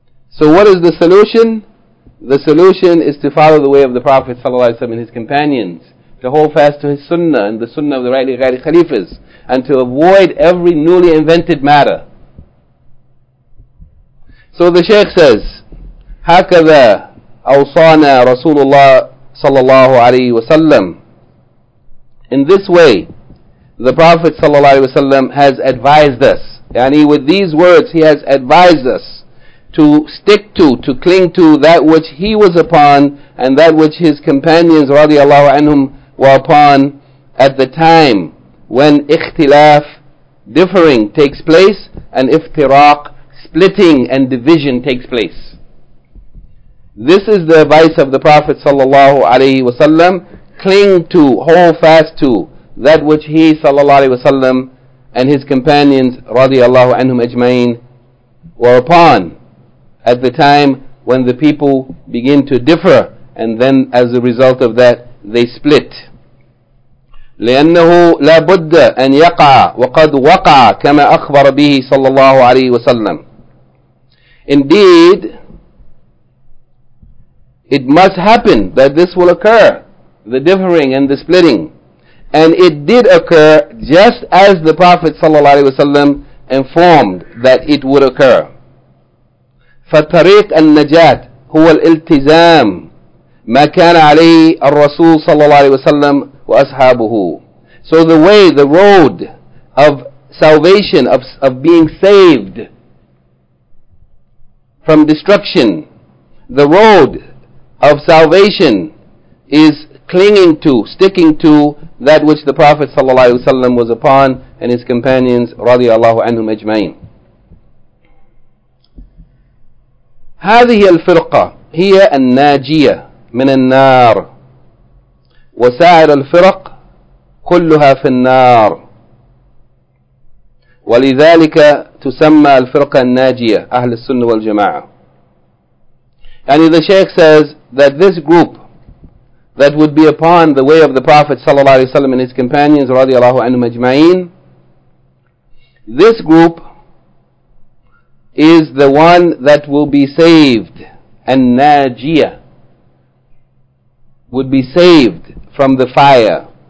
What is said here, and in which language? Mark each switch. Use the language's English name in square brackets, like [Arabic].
[English] So what is the solution? The solution is to follow the way of the Prophet ﷺ and his companions, to hold fast to his sunnah and the sunnah of the rightly guided khalifas, and to avoid every newly invented matter. So the Shaykh says, [Arabic] هكذا أوصانا رسول الله صلى الله عليه وسلم. [English] In this way, the Prophet ﷺ has advised us. Yani with these words, he has advised us to stick to cling to that which he was upon and that which his companions radiallahu anhum were upon at the time when ikhtilaf, differing, takes place and iftiraq, splitting and division takes place. This is the advice of the Prophet sallallahu alaihi wasallam. Cling to, hold fast to that which he sallallahu alaihi wasallam and his companions radiallahu anhum ajmain were upon at the time when the people begin to differ, and then as a result of that, they split. [Arabic] لأنه لا بد أن يقع وقد وقع كما أخبر به صلى الله عليه وسلم. [English] Indeed, it must happen that this will occur, the differing and the splitting. And it did occur just as the Prophet [Arabic] صلى الله عليه وسلم [English] informed that it would occur. [Arabic] فطريق النجاة هو الالتزام ما كان عليه الرسول صلى الله عليه وسلم وأصحابه. [English] So the way, the road of salvation, of being saved from destruction, the road of salvation is clinging to, sticking to that which the Prophet [Arabic] صلى الله عليه وسلم [English] was upon and his companions [Arabic] رضي الله عنهم أجمعين. هذه الفرقة هي الناجية من النار وسائر الفرق كلها في النار ولذلك تسمى الفرقة الناجية أهل السنة والجماعة. [English] And the Shaykh says that this group that would be upon the way of the Prophet [Arabic] صلى الله عليه وسلم [English] and his companions [Arabic] رضي الله عنهم أجمعين, [English] this group is the one that will be saved, and najia would be saved from the fire.